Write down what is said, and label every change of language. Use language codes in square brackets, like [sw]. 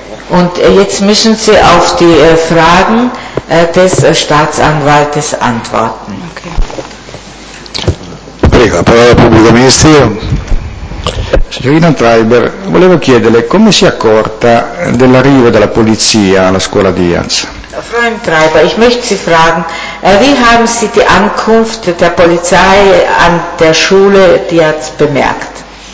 [de] Und jetzt müssen Sie auf die Fragen des Staatsanwaltes antworten. [it] Prego, la parola al pubblico ministero. Signorina Treiber, volevo chiederle come si è accorta dell'arrivo della polizia alla scuola Diaz. [de] Frau Treiber, ich möchte Sie fragen, wie haben Sie die Ankunft der Polizei an der Schule Diaz bemerkt?